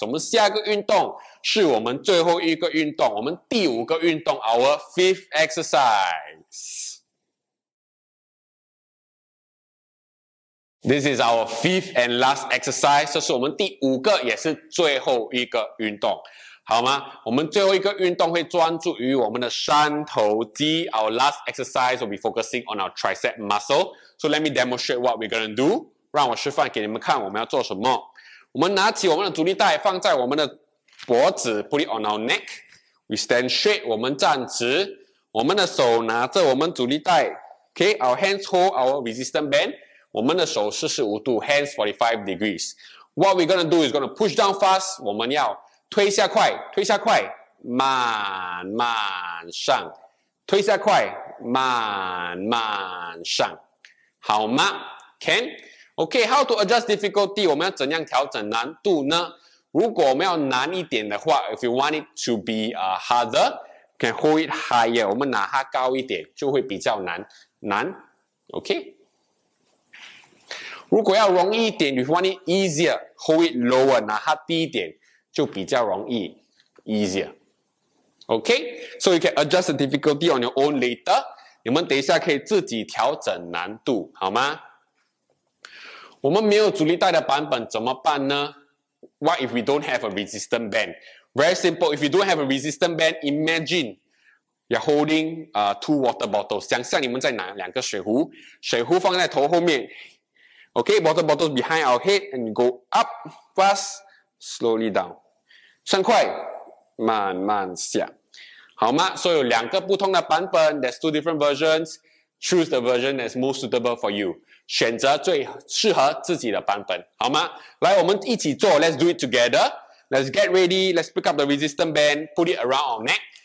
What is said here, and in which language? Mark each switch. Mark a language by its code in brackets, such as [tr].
[zh] 我们下个运动是我们最后一个运动，我们第五个运动， [en] our fifth exercise. This is our fifth and last exercise. [zh] 这是我们第五个也是最后一个运动，好吗？我们最后一个运动会专注于我们的三头肌。 [en] Our last exercise will be focusing on our tricep muscle. So let me demonstrate what we're going to do. [zh] 让我示范给你们看我们要做什么。我们拿起我们的阻力带放在我们的脖子， [en] put it on our neck. We stand straight. [zh] 我们站直，我们的手拿着我们阻力带。 [en] Okay, our hands hold our resistance band. [zh] 我们的手45度 [en] ,hands 45 degrees. What we're gonna do is gonna push down fast, [zh] 我们要推下快，推下快，慢慢上，推下快，慢慢上，好吗？ [en] Can? Okay, how to adjust difficulty? [zh] 我们要怎样调整难度呢？如果我们要难一点的话， [en] if you want it to be harder, can hold it higher, [zh] 我们拿它高一点就会比较难，难， okay? 如果要容易一点， [en] you want it easier, hold it lower, [zh] 拿它低一点就比较容易， easier. Okay? [en] So you can adjust the difficulty on your own later. [zh] 你们等一下可以自己调整难度，好吗？我们没有阻力带的版本怎么办呢？ [en] What if we don't have a resistant band? Very simple, if you don't have a resistant band, imagine you're holding two water bottles. [zh] 想象你们在拿两个水壶，水壶放在头后面， [en] Okay, water bottles behind our head and go up fast, slowly down. [zh] 上快，慢慢下，好吗？所以有两个不同的版本， [en] there's two different versions. Choose the version that's most suitable for you. [zh] 选择最适合自己的版本，好吗？来，我们一起做， [en] let's do it together. Let's get ready, let's pick up the resistance band, put it around our neck.